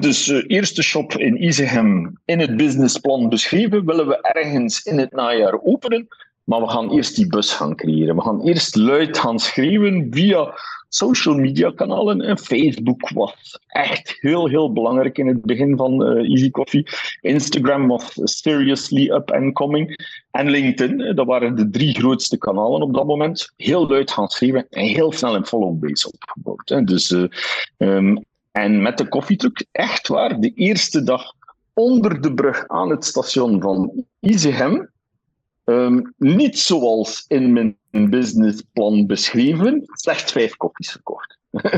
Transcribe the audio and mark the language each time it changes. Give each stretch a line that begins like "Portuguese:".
Dutch: Dus eerste shop in Isegem, in het businessplan beschreven, willen we ergens in het najaar openen, maar we gaan eerst die bus gaan creëren. We gaan eerst luid gaan schreeuwen via social media kanalen. En Facebook was echt heel, heel belangrijk in het begin van Easy Coffee.
English: Instagram was seriously up and coming.
Dutch: En LinkedIn, dat waren de drie grootste kanalen op dat moment. Heel luid gaan schreeuwen en heel snel een followbase opgebouwd. Hè. Dus, en met de koffietruck, echt waar, de eerste dag onder de brug aan het station van Isegem. Niet zoals in mijn businessplan beschreven, slechts 5 koffies verkocht. Ja.